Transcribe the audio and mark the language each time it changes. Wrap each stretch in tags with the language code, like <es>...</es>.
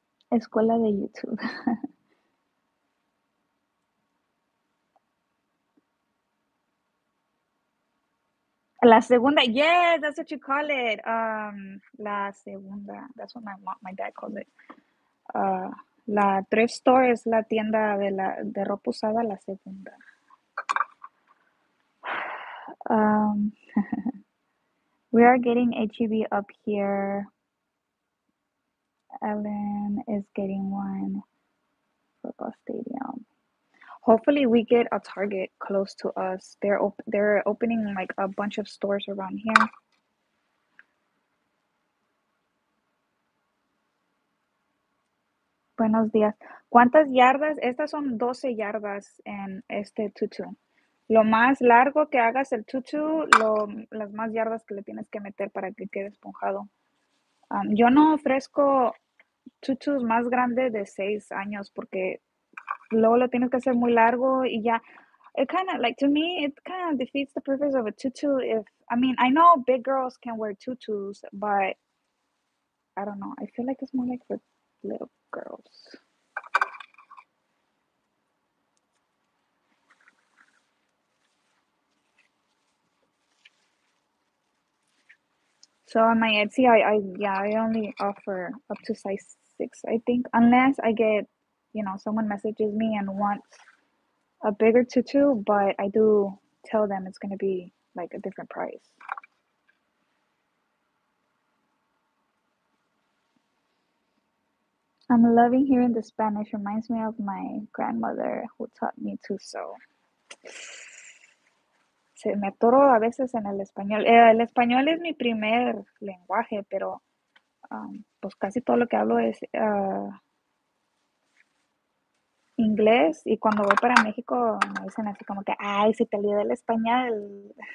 <es>Escuela de YouTube. La segunda,</es> <en>yes, that's what you call it. La segunda, that's what my dad calls it.</en> <es>La thrift store es la tienda de de ropa usada, la segunda.</es> <en>We are getting HEB up here. Ellen is getting one football stadium. Hopefully we get a Target close to us. They're opening like a bunch of stores around here.</en> <es>Buenos días. ¿Cuántas yardas? Estas son 12 yardas en este tutú. Lo más largo que hagas el tutú, las más yardas que le tienes que meter para que quede esponjado. Yo no ofrezco tutús más grandes de 6 años porque luego lo tienes que hacer muy largo y ya.</es> <en>It kind of like to me, it kind of defeats the purpose of a tutu. If I mean, I know big girls can wear tutus, but I don't know. I feel like it's more like for little girls. So on my Etsy, I only offer up to size 6, I think, unless I get. You know, someone messages me and wants a bigger tutu, but I do tell them it's going to be like a different price. I'm loving hearing the Spanish. Reminds me of my grandmother who taught me to sew.</en> <es>Se me atoro a veces en el español. El español es mi primer lenguaje, pero pues casi todo lo que hablo es inglés, y cuando voy para México me dicen así como que, ay, se te olvida el español.</es>